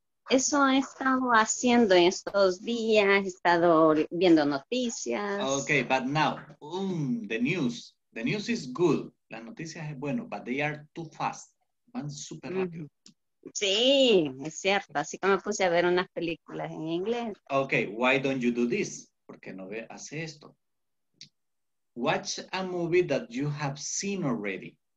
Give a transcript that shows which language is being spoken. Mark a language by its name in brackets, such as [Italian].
[Spanish] Eso he estado haciendo en estos días. He estado viendo noticias. [English] Okay, but now, the news. The news is good. [Spanish] Las noticias es bueno, [English] but they are too fast. [Spanish] Van super rápido. Sí, es cierto. Así que me puse a ver unas películas en inglés. [English] Okay, why don't you do this? [Spanish] ¿Por qué no hace esto? [English] Watch a movie that you have seen already.